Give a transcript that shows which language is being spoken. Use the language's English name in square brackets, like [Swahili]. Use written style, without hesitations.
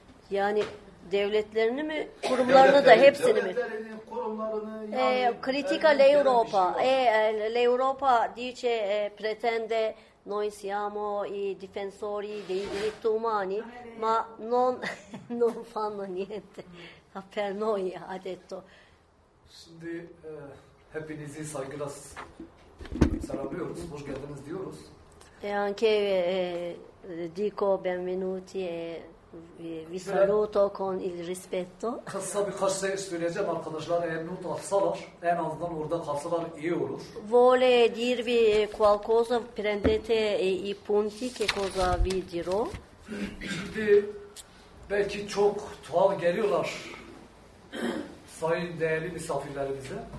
[Turkish] Yani devletlerini mi, kurumlarını da hepsini mi? Devletlerini, kurumlarını, yani... [Italian] Critica l'Europa. L'Europa dice, pretende, noi siamo i difensori dei diritti umani, ma non fanno niente per noi, ha detto. [Turkish] Şimdi hepinizi saygıyla selamlıyoruz, hoş geldiniz diyoruz. [Italian] E anche dico benvenuti e... Vi saluto con il rispetto. [Turkish] Kısa birkaç şey söyleyeceğim arkadaşlar. Eğer not alsalar, en azından orada kalsalar iyi olur. [Italian] Vuole dirvi qualcosa, prendete i punti, che cosa vi dirò. [Turkish] Şimdi belki çok tuhaf geliyorlar sayın değerli misafirlerimize.